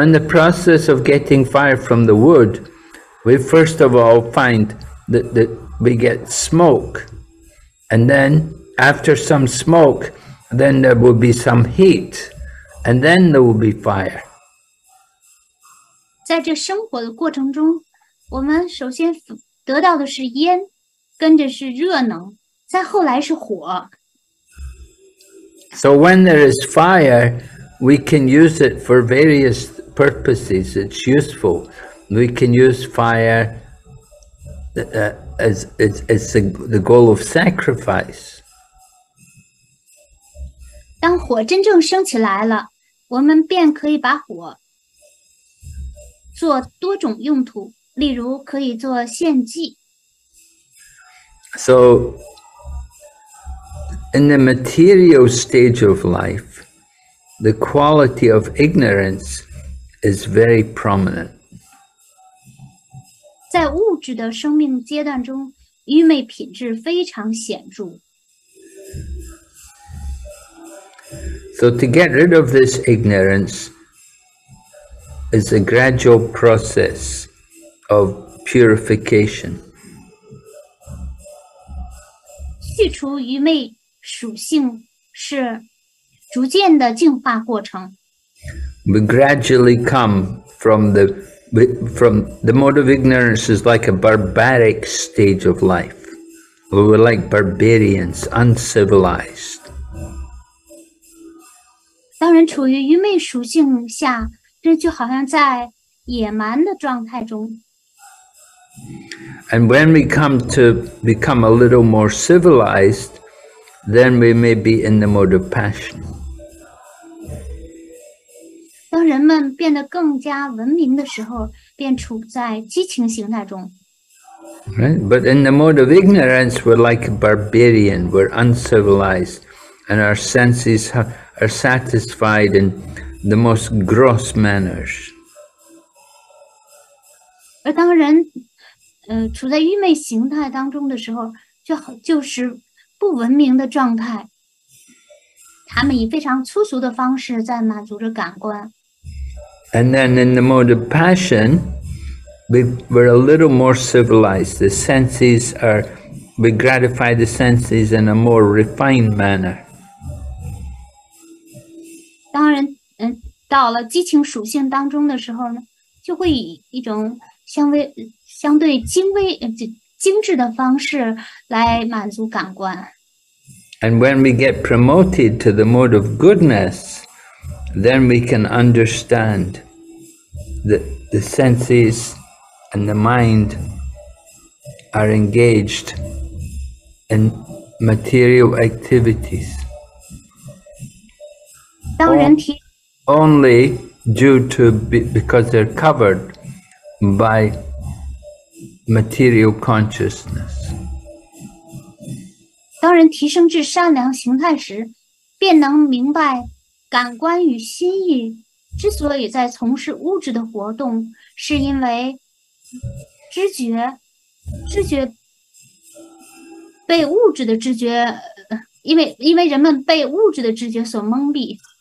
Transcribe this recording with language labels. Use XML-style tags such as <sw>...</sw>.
<en>in the process of getting fire from the wood, we first of all find that we get smoke, and then after some smoke, then there will be some heat, and then there will be fire.</en> <zh>在这生活的过程中，我们首先得到的是烟，跟着是热能，再后来是火。So</zh> <en>when there is fire, we can use it for various purposes. It's useful. we can use fire as the goal of sacrifice.</en> <zh>当火真正升起来了，我们便可以把火做多种用途，例如可以做献祭。</zh> <en>So, in the material stage of life, the quality of ignorance is very prominent.</en> <zh>在物质的生命阶段中，愚昧品质非常显著。</zh> <en>So to get rid of this ignorance is a gradual process of purification.</en> <zh>去除愚昧属性是逐渐的净化过程。</zh> <en>We gradually come from the mode of ignorance is like a barbaric stage of life. We were like barbarians, uncivilized.</en> <zh>当人处于愚昧属性下，这就好像在野蛮的状态中。</zh> <en>And when we come to become a little more civilized, then we may be in the mode of passion.</en> <zh>当人们变得更加文明的时候，便处在激情形态中。</zh> <en>Right? But in the mode of ignorance, we're like a barbarian, we're uncivilized, and our senses are satisfied in the most gross manners.</en> <zh>而当人处在愚昧形态当中的时候，就是不文明的状态。他们以非常粗俗的方式在满足着感官。</zh> <en>And then in the mode of passion, we were a little more civilized. The senses are, we gratify the senses in a more refined manner.</en> <zh>当人到了激情属性当中的时候呢，就会以一种相对精致的方式来满足感官。</zh> <en>And when we get promoted to the mode of goodness, then we can understand the senses and the mind are engaged in material activities. Only due to because they're covered by material consciousness.</en> <zh>当人提升至善良形态时，便能明白感官与心意之所以在从事物质的活动，是因为知觉被物质的知觉，因为人们被物质的知觉所蒙蔽。</zh>